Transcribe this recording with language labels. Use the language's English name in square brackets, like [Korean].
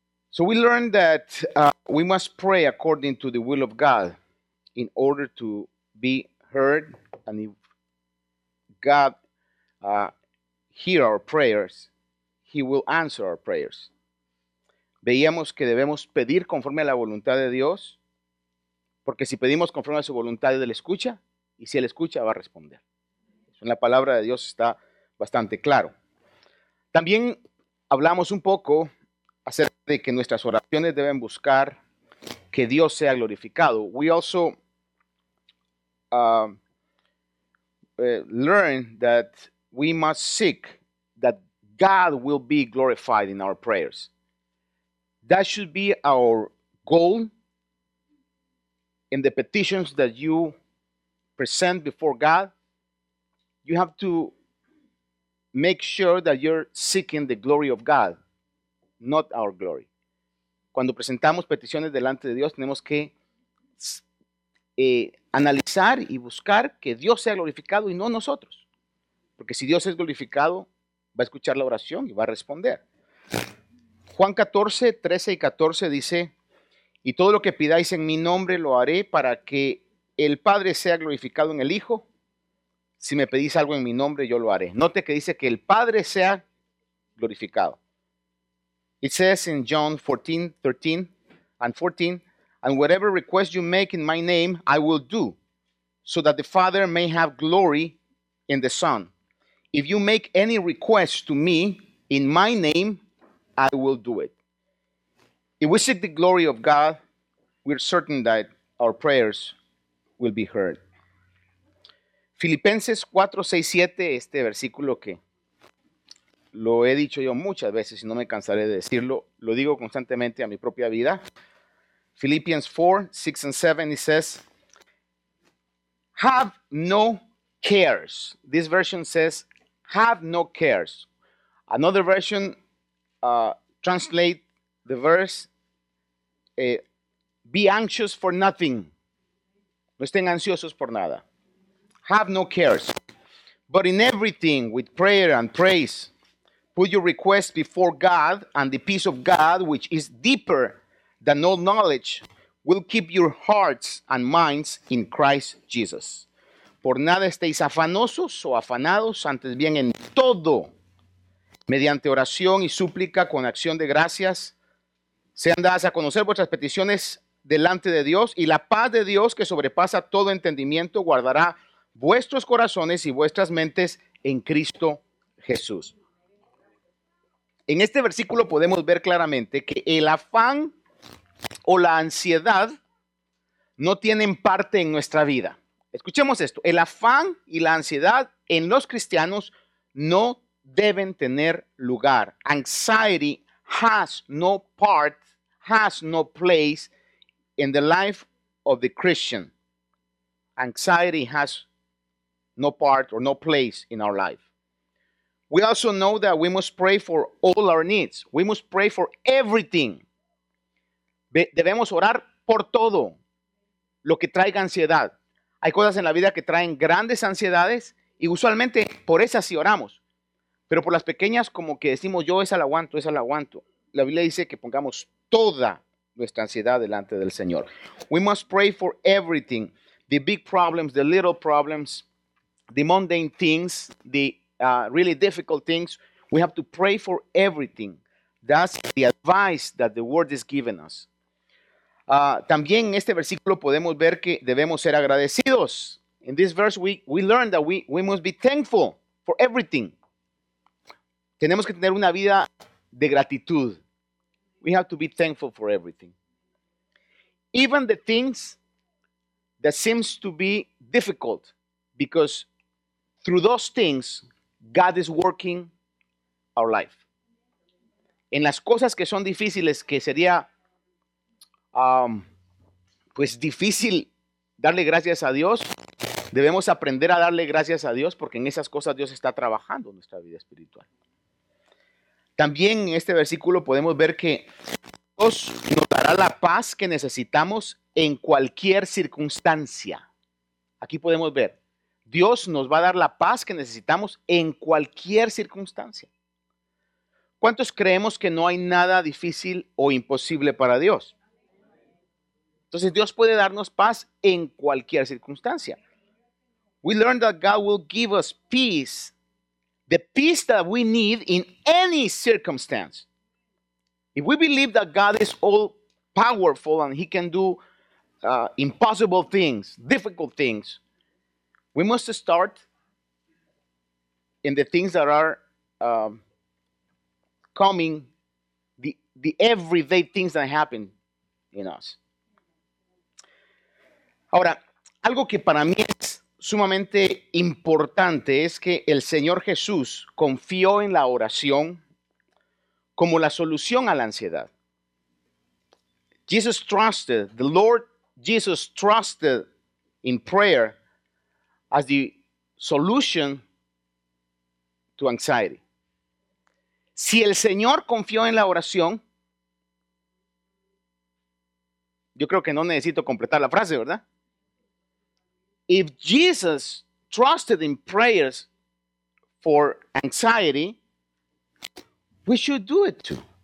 [English] So we learned that we must pray according to the will of God in order to be heard. And if God hear our prayers, He will answer our prayers. [Spanish] Veíamos que debemos pedir conforme a la voluntad de Dios, porque si pedimos conforme a su voluntad, Él escucha, y si Él escucha, va a responder. En la palabra de Dios está bastante claro. También hablamos un poco acerca de que nuestras oraciones deben buscar que Dios sea glorificado. [English] We also learned that we must seek that God will be glorified in our prayers. That should be our goal in the petitions that you present before God. You have to make sure that you're seeking the glory of God, not our glory. [Spanish] Cuando presentamos peticiones delante de Dios, tenemos que analizar y buscar que Dios sea glorificado y no nosotros. Porque si Dios es glorificado, va a escuchar la oración y va a responder. Juan 14, 13 y 14 dice, y todo lo que pidáis en mi nombre lo haré para que el Padre sea glorificado en el Hijo. Si me pedís algo en mi nombre, yo lo haré. Note que dice que el Padre sea glorificado. [English] It says in John 14, 13 and 14, and whatever request you make in my name, I will do, so that the Father may have glory in the Son. If you make any request to me in my name, I will do it. If we seek the glory of God, we're certain that our prayers will be heard. [Spanish] Filipenses 4, 6, 7, este versículo que lo he dicho yo muchas veces y no me cansaré de decirlo, lo digo constantemente a mi propia vida. [English] Philippians 4, 6 and 7, it says, have no cares. This version says, have no cares. Another version translate the verse, be anxious for nothing. [Spanish] No estén ansiosos por nada. [English] Have no cares. But in everything, with prayer and praise, put your request before God, and the peace of God, which is deeper than all knowledge, will keep your hearts and minds in Christ Jesus. [Spanish] Por nada estéis afanosos o afanados, antes bien en todo, mediante oración y súplica con acción de gracias, sean dadas a conocer vuestras peticiones delante de Dios, y la paz de Dios, que sobrepasa todo entendimiento, guardará vuestros corazones y vuestras mentes en Cristo Jesús. En este versículo podemos ver claramente que el afán o la ansiedad no tienen parte en nuestra vida. Escuchemos esto. El afán y la ansiedad en los cristianos no deben tener lugar. [English] Anxiety has no part, has no place in the life of the Christian. Anxiety has no part or no place in our life. We also know that we must pray for all our needs. We must pray for everything. [Spanish] Debemos orar por todo lo que traiga ansiedad. Hay cosas en la vida que traen grandes ansiedades y usualmente por esas sí oramos. Pero por las pequeñas, como que decimos, yo esa la aguanto, esa la aguanto. La Biblia dice que pongamos toda nuestra ansiedad delante del Señor. [English] We must pray for everything. The big problems, the little problems, the mundane things, the really difficult things. We have to pray for everything. That's the advice that the word is giving us. [Spanish] También en este versículo podemos ver que debemos ser agradecidos. [English] In this verse we learn that we must be thankful for everything. [Spanish] Tenemos que tener una vida de gratitud. [English] We have to be thankful for everything. Even the things that seems to be difficult, because through those things God is working our life. [Spanish] En las cosas que son difíciles, que sería difícil darle gracias a Dios, debemos aprender a darle gracias a Dios, porque en esas cosas Dios está trabajando en nuestra vida espiritual. También en este versículo podemos ver que Dios nos dará la paz que necesitamos en cualquier circunstancia. Aquí podemos ver, Dios nos va a dar la paz que necesitamos en cualquier circunstancia. ¿Cuántos creemos que no hay nada difícil o imposible para Dios? Entonces Dios puede darnos paz en cualquier circunstancia. [English] We learn that God will give us peace, the peace that we need in any circumstance. If we believe that God is all powerful and he can do impossible things, difficult things, we must start in the things that are coming, the everyday things that happen in us. [Spanish] Ahora, algo que para mí es sumamente importante es que el Señor Jesús confió en la oración como la solución a la ansiedad. [English] The Lord Jesus trusted in prayer as the solution to anxiety. [Spanish] Si el Señor confió en la oración, yo creo que no necesito completar la frase, ¿verdad? [English] If Jesus trusted in prayers for anxiety, we should do it too.